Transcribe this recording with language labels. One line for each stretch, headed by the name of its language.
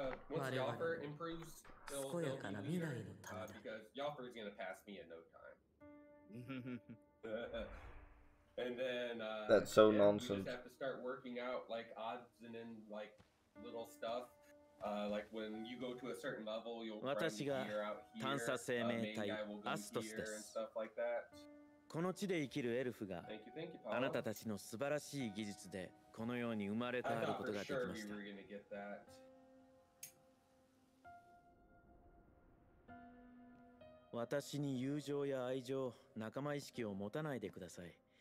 Japanese: 我々は健やかな未来のためだ。
English: And then, That's so yeah, nonsense. We just have to start working out like odds and then like little stuff. Like when you go to a certain level, you'll find gear out here. The main guy will go here and stuff like that.
Japanese: この地で生きるエルフが、あなたたちの素晴らしい技術でこのように生まれてあることができました。私に友情や愛情、仲間意識を持たないでください。